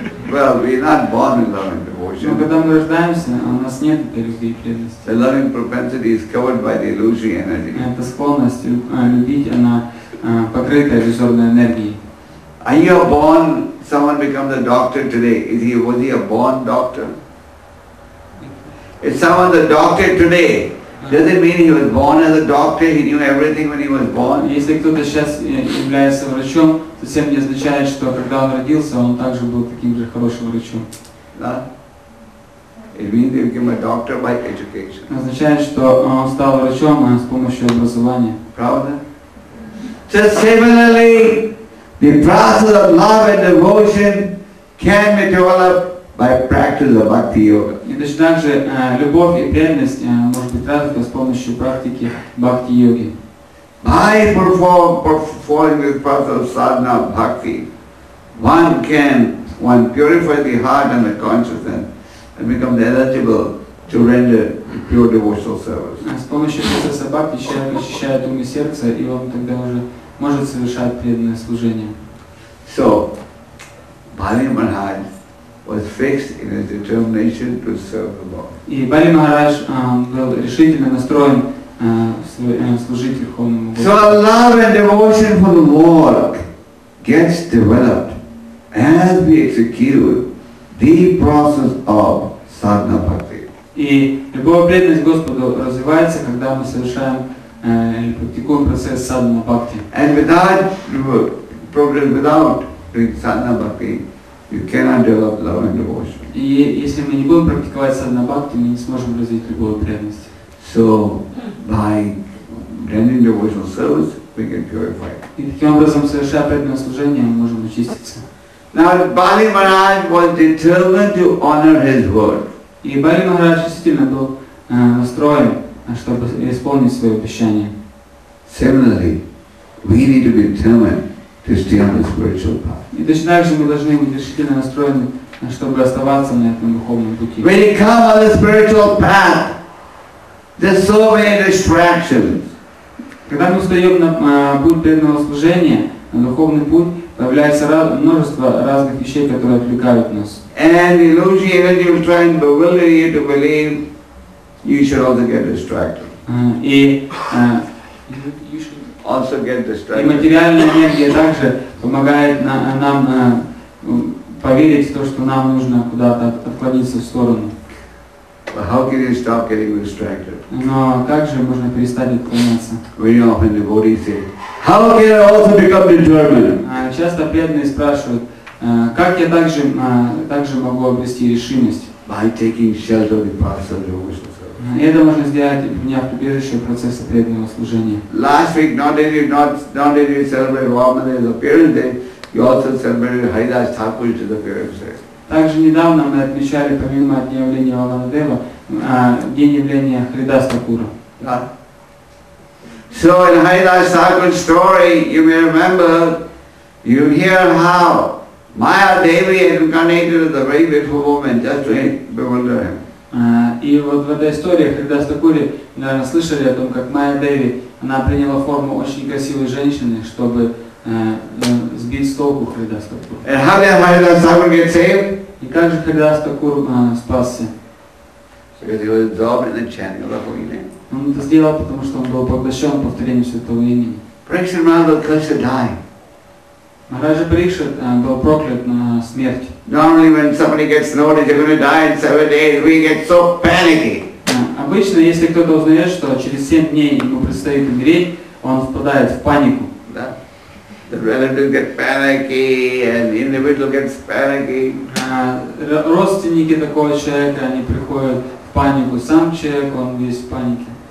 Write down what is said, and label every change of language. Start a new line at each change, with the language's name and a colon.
English: Well, we're not born with love and devotion.
Russian: Но когда мы рождаемся, у нас нет этой любви и преданности.
English: The loving propensity is covered by the illusory energy.
Russian: Эта склонность любить, она покрыта иллюзорной энергией.
English: Are you born? Someone becomes a doctor today. Was he a born doctor? If someone's a doctor today, does it mean he was born as a doctor? He knew everything when he was born.
Russian: Если кто-то сейчас является врачом, совсем не означает, что когда он родился, он также был таким же хорошим врачом. Да?
English: It means he became a doctor by education.
Russian: Означает, что он стал врачом с помощью образования. Правда?
English: So similarly, the process of love and devotion can be developed by practice of bhakti yoga.
Russian: И даже также любовь и преданность может быть развита с помощью практики бхакти йоги.
English: By performing the path of sadhana bhakti, one purify the heart and the consciousness and become eligible to render pure devotional service.
Russian: С помощью процесса бхакти человек очищает ум и сердце, и он тогда уже может совершать преданное служение.
English: So, Bali Maharaj was fixed in his determination to serve the Lord.
Russian: И Бали Махарадж был решительно настроен служить Верховному Богу.
English: So love and devotion for the Lord gets developed as we execute the process of sadhana bhakti.
Russian: И любовь и преданность Господу развивается, когда мы совершаем или практикуем процесс садхана бхакти.
English: And without progress, without doing sadhana bhakti, you cannot develop love and devotion.
Russian: И если мы не будем практиковать садхана бхакти, мы не сможем развить любовь и преданность.
English: So by rendering devotional service, we can purify.
Russian: И таким образом, совершая преданное служение, мы можем очиститься.
English: Now Bali Maharaj was determined to honor his word.
Russian: И Бали Махарадж действительно был настроен, чтобы исполнить свое обещание.
English: Similarly, we need to be determined to stay on the spiritual path.
Russian: И точно так же мы должны быть решительно настроены, чтобы оставаться на этом духовном пути.
English: When you come on the spiritual path, there's so many distractions.
Russian: Когда мы встаем на путь преданного служения, на духовный путь, появляется множество разных вещей, которые отвлекают нас.
English: And the illusory energy of trying to bewilder you to believe, you should also get distracted.
Russian: И материальная энергия также помогает нам поверить в то, что нам нужно куда-то отклониться в сторону.
English: But how can you stop getting distracted?
Russian: Но как же можно перестать отклоняться?
English: Very often devotees say, how can I also become determined?
Russian: Часто преданные спрашивают, как я также могу обрести решимость?
English: By taking shelter of the process of devotional service.
Russian: Это можно сделать, приняв убежище процесса преданного служения.
English: Last week, not only did you celebrate Vamana's appearance day, you also celebrated Haridas Thakur's appearance day.
Russian: Также недавно мы отмечали, помимо дня явления Валанадева, день явления Харидас Такура. Да.
English: So in Haridas Thakur's story, you may remember, you hear how Maya Devi incarnated as a very beautiful woman just to bewilder him.
Russian: И вот в этой истории Харидас Такури, наверное, слышали о том, как Майя Деви, она приняла форму очень красивой женщины, чтобы сбить с толку Харидас Такуру.
English: And how did Харидас Такур get saved?
Russian: И как же Харидас Такур спасся?
English: Because he was absorbed in the chanting of the holy name.
Russian: Он это сделал, потому что он был поглощен повторением святого имени.
English: Прикшин Мада Кришна died.
Russian: Махараджа Прикшин был проклят на смерть.
English: Normally when somebody gets noticed, they're going to die in 7 days, we get so panicky.
Russian: Обычно, если кто-то узнает, что через 7 дней ему предстоит умереть, он впадает в панику.
English: The relatives get panicky, and the individual gets panicky.
Russian: Родственники такого человека, они приходят в панику. Сам человек, он весь в панике.